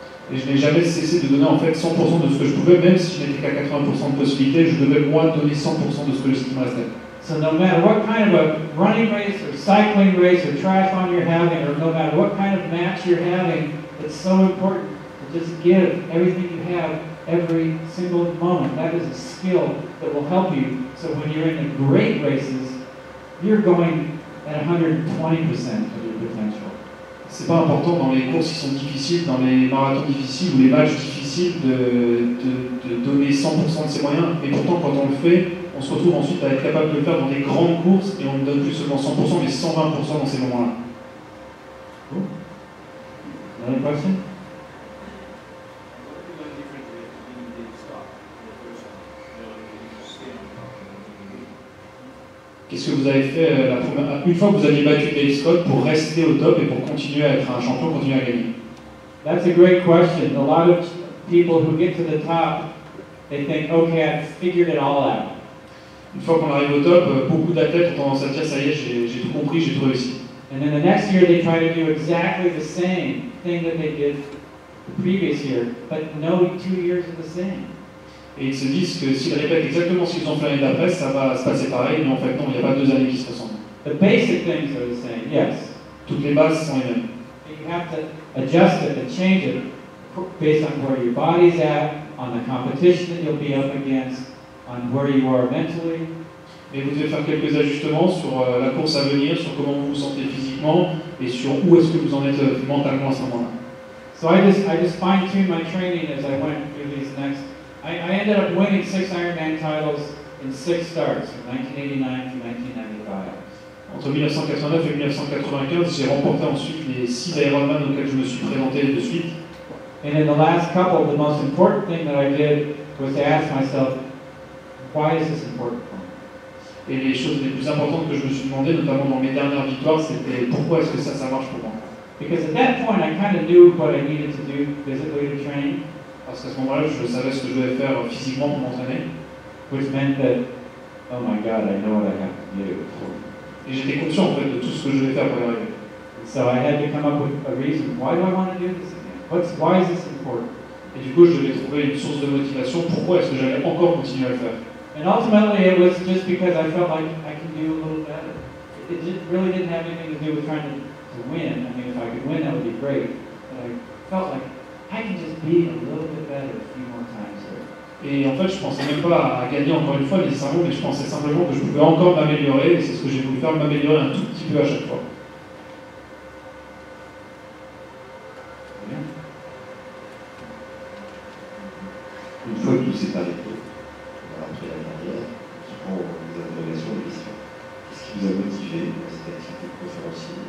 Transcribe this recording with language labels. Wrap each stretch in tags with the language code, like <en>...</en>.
<fr>Et je n'ai jamais cessé de donner en fait 100% de ce que je pouvais, même si je n'étais qu'à 80% de possibilité, je devais moi donner 100% de ce que je me restait.</fr> <en>So no matter what kind of a running race or cycling race or triathlon you're having, or no matter what kind of match you're having, it's so important to just give everything you have every single moment. That is a skill that will help you. So when you're in the great races, you're going at 120% of your potential.</en> <fr>C'est pas important dans les courses qui sont difficiles, dans les marathons difficiles ou les matchs difficiles de donner 100% de ses moyens. Mais pourtant, quand on le fait, on se retrouve ensuite à être capable de le faire dans des grandes courses et on ne donne plus seulement 100% mais 120% dans ces moments-là.</fr> <en>Cool. Another question? What did you learn differently from Dave Scott in the first time?</en> <fr>Qu'est-ce que vous avez fait la première, une fois que vous aviez battu David Scott pour rester au top et pour continuer à être un champion, continuer à gagner?</fr> <en>That's a great question. A lot of people who get to the top, they think, okay, I've figured it all out.</en> <fr>Une fois qu'on arrive au top, beaucoup d'athlètes ont tendance à dire, ça y est, j'ai tout compris, j'ai tout réussi.</fr> <en>And then the next year, they try to do exactly the same thing that they did the previous year, but no 2 years are the same.</en> <fr>Et ils se disent que s'ils répètent exactement ce qu'ils ont fait l'année d'après, ça va se passer pareil, mais en fait, non, il n'y a pas deux années qui se ressemblent.</fr> <en>The basic things are the same, yes.</en> <fr>Toutes les bases sont les mêmes.</fr> <en>And you have to adjust it and change it based on where your body's at, on the competition that you'll be up against, on where you are mentally.</en> <fr>Et vous devez faire quelques ajustements sur la course à venir, sur comment vous vous sentez physiquement et sur où est-ce que vous en êtes mentalement à ce moment-là.</fr> <en>So I just fine-tuned my training as I went through these next. I ended up winning 6 Ironman titles in 6 starts from 1989 to 1995.</en> <fr>Ironman auxquels je me suis présenté de suite.</fr> <en>And in the last couple, the most important thing that I did was to ask myself, why is this important for me?</en> <fr>Et les choses les plus importantes que je me suis demandé, notamment dans mes dernières victoires, c'était pourquoi est-ce que ça marche pour moi?</fr> <en>Because at that point, I kind of knew what I needed to do physically to train.</en> <fr>Parce qu'à ce moment-là, je savais ce que je devais faire physiquement pour m'entraîner.</fr> <en>Which meant that, oh my God, I know what I have to do.</en> <fr>Et j'étais conscient en fait de tout ce que je devais faire pour y arriver.</fr> <en>So I had to come up with a reason. Why do I want to do this again? Why is this important?</en> <fr>Et du coup, je devais trouver une source de motivation. Pourquoi est-ce que j'allais encore continuer à le faire?</fr> <en>And ultimately, it was just because I felt like I could do a little better. It just really didn't have anything to do with trying to win. I mean, if I could win, that would be great. But I felt like I could just be a little bit better a few more times.</en> <fr>Et en fait, je pensais même pas à gagner encore une fois nécessairement, mais je pensais simplement que je pouvais encore m'améliorer, et c'est ce que j'ai voulu faire, m'améliorer un tout petit peu à chaque fois. Une fois que tout s'est arrêté, après la dernière, pour les interrogations et les questions, qu'est-ce qui vous a motivé dans cette activité de conférencier?</fr>